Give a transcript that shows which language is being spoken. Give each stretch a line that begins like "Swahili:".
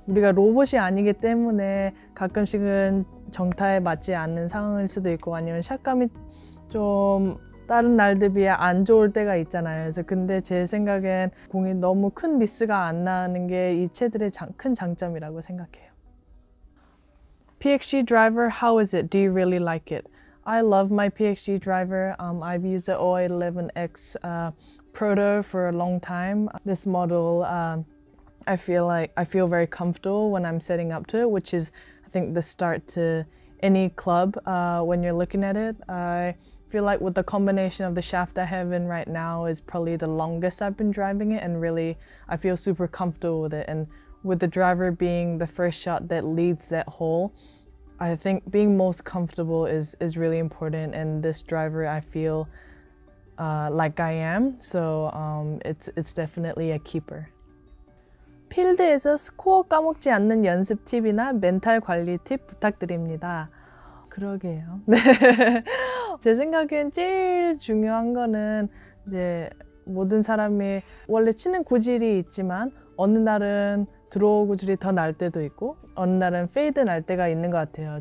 Korean: 우리가 로봇이 아니기 때문에 가끔씩은 정타에 맞지 않는 상황일 수도 있고 아니면 샷감이 좀 다른 날들 비해 안 좋을 때가 있잖아요. 그래서 근데 제 생각엔 공이 너무 큰 미스가 안 나는 게 이 채들의 큰 장점이라고 생각해요.
English: PXC driver, how is it? Do you really like it? I love my PXC driver. I've used the 0811X Proto for a long time. This model, I feel very comfortable when I'm setting up to it, which is, I think, the start to any club when you're looking at it. I feel like with the combination of the shaft I have in right now is probably the longest I've been driving it and really I feel super comfortable with it and with the driver being the first shot that leads that hole I think being most comfortable is really important and this driver I feel like I am so it's definitely a keeper.
Korean: 필드에서 스코어 까먹지 않는 연습 팁이나 멘탈 관리 팁 부탁드립니다. 그러게요. 제 생각엔 제일 중요한 거는 이제 모든 사람이 원래 치는 구질이 있지만 어느 날은 드로우 구질이 더 날 때도 있고 어느 날은 페이드 날 때가 있는 것 같아요.